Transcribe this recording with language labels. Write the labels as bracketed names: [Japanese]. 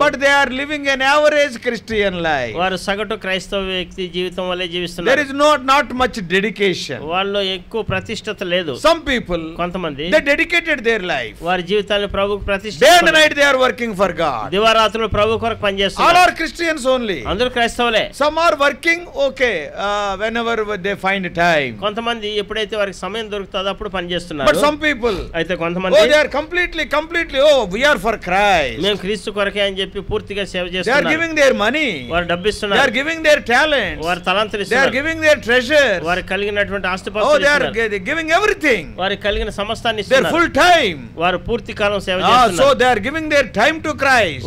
[English] But they are living an average Christian life. [Telugu] వారు సగటు క్రైస్తవ వ్యక్తి జీవితం వల్ల జీవిస్తున్నారు. [English] there is not much dedication, [Telugu] వాళ్ళు ఎక్కువ ప్రతిష్టత లేదు. [English] some people, [Telugu] కొంతమంది, [English] they dedicated their life, [Telugu] వారి జీవితాన్ని ప్రభుకు ప్రతిష్ట, [English] day and night they are working for God, [Telugu] దివారాత్రులు ప్రభు కొరకు పనిచేస్తున్నారు. [English] all are Christians only, [Telugu] అందరూ క్రైస్తవ. [English] Some are working okay whenever they find time. [Telugu] కొంతమంది ఎప్పుడైతే వారికి సమయం దొరుకుతుందో అప్పుడు పని చేస్తున్నారు. [English] But some people, [Telugu] అయితే కొంతమంది, [English] oh, they are completely oh, we are for Christ, [Telugu] మేము క్రీస్తు కొరకే అని చెప్పి పూర్తిగా సేవ చేస్తున్నారు. [English] They are giving their money, [Telugu] వారు డబ్బిస్తున్నారు. [English] They are giving their talents, [Telugu] వారు తలంతలు ఇస్తున్నారు. [English] They are giving their treasures, [Telugu] వారు కలిగినటువంటి ఆస్తిపాస్తులు ఇస్తున్నారు. [English] Oh, they are giving everything, [Telugu] వారు కలిగిన సమస్తాన్ని ఇస్తున్నారు. [English] They are full time, [Telugu] వారు పూర్తి కాలం సేవ చేస్తున్నారు. [English] So they are giving their time to Christ,